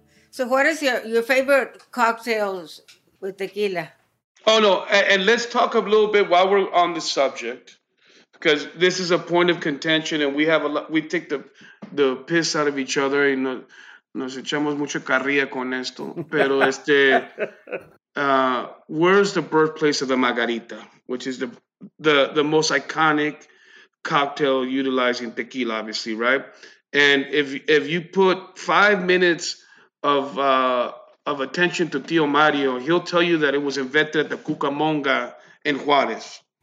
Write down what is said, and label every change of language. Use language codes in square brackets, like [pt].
[en] So what is your favorite cocktails with tequila? Oh, no. And let's talk a little bit while we're on the subject, because this is a point of contention, and we take the piss out of each other. [es] And nos echamos mucha carrilla con esto. [en] Pero where's the birthplace of the margarita, which is the most iconic cocktail utilizing tequila, obviously, right? And if you put 5 minutes of attention to Tio Mario, he'll tell you that it was invented at the Cucamonga in Juarez.